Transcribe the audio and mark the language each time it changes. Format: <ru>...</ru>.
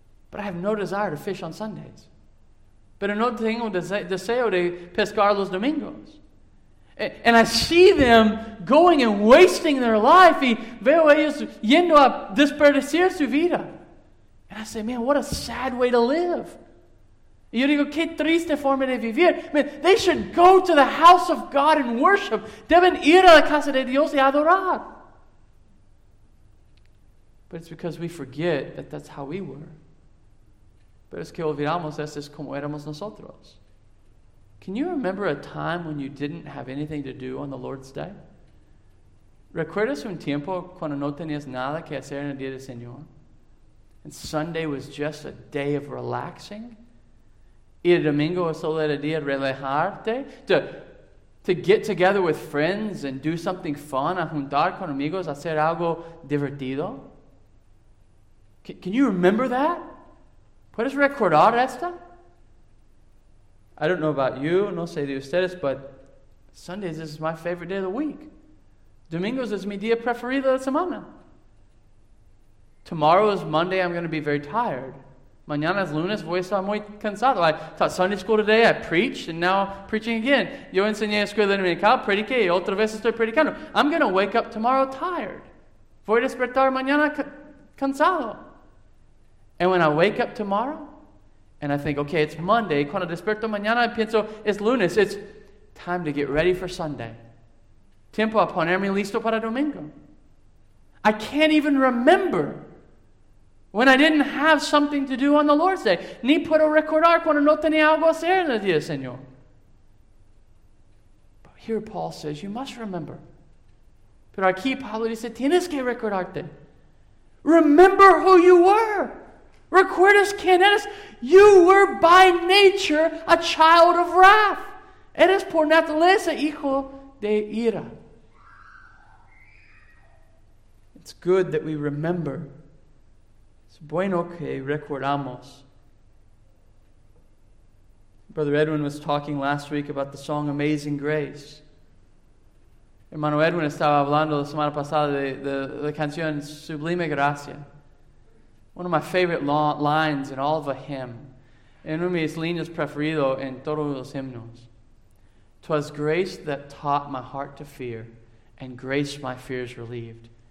<en>But I have no desire to fish on Sundays.</en> <es>Pero no tengo deseo de pescar los domingos.</es> <en>And I see them going and wasting their life.</en> <es>Y veo ellos yendo a desperdiciar su vida.</es> <en>And I say, man, what a sad way to live.</en> <es>Y yo digo, qué triste forma de vivir.</es> <en>Man, they should go to the house of God and worship.</en> <es>Deben ir a la casa de Dios y adorar.</es> <en>But it's because we forget that that's how we were.</en> <es>Pero es que olvidamos, eso es como éramos nosotros.</es> <en>Can you remember a time when you didn't have anything to do on the Lord's Day?</en> <es>¿Recuerdas un tiempo cuando no tenías nada que hacer en el Día del Señor?</es> <en>And Sunday was just a day of relaxing?</en> <es>¿Y el domingo solo era día de relajarte?</es> <en>To get together with friends and do something fun,</en> <es>a juntar con amigos, hacer algo divertido?</es> <en>Can you remember that?</en> <es>¿Puedes recordar esta?</es> <en>I don't know about you,</en> <es>no sé de ustedes,</es> <en>but Sundays is my favorite day of the week.</en> <es>Domingos es mi día preferido de semana.</es> <en>Tomorrow is Monday, I'm going to be very tired.</en> <es>Mañana es lunes, voy a estar muy cansado.</es> <en>I taught Sunday school today, I preached, and now I'm preaching again.</en> <es>Yo enseñé a escuela dominical, prediqué, y otra vez estoy predicando.</es> <en>I'm going to wake up tomorrow tired.</en> <es>Voy a despertar mañana cansado.</es> <en>And when I wake up tomorrow, and I think, okay, it's Monday.</en> <es>Cuando despierto mañana, pienso, es lunes.</es> <en>It's time to get ready for Sunday.</en> <es>Tiempo a ponerme listo para domingo.</es> <en>I can't even remember when I didn't have something to do on the Lord's Day.</en> <es>Ni puedo recordar cuando no tenía algo hacer en el día, Señor.</es> <en>But here Paul says, you must remember.</en> <es>Pero aquí Pablo dice, tienes que recordarte.</es> <en>Remember who you were.</en> <es>Recuerdas quién eres?</es> <en>You were by nature a child of wrath.</en> <es>Eres por naturaleza hijo de ira.</es> <en>It's good that we remember.</en> <es>Es bueno que recordamos.</es> <en>Brother Edwin was talking last week about the song Amazing Grace.</en> <es>Hermano Edwin estaba hablando la semana pasada de la canción Sublime Gracia.</es> <en>One of my favorite lines in all of a hymn.</en> <es>En uno de mis líneas preferidos en todos los himnos.</es> <en>'Twas grace that taught my heart to fear, and grace my fears relieved.</en>